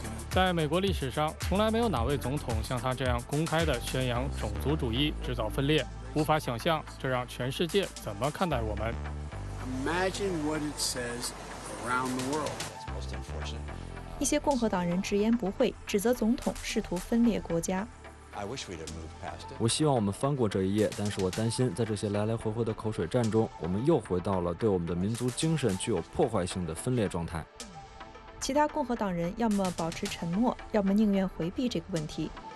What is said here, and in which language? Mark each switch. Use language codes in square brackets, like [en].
[zh] 在美国历史上，从来没有哪位总统像他这样公开地宣扬种族主义，制造分裂。无法想象，这让全世界怎么看待我们。 [en] Imagine what it says around the world. [zh] 一些共和党人直言不讳，指责总统试图分裂国家。我希望我们翻过这一页，但是我担心在这些来来回回的口水战中，我们又回到了对我们的民族精神具有破坏性的分裂状态。其他共和党人要么保持沉默，要么宁愿回避这个问题。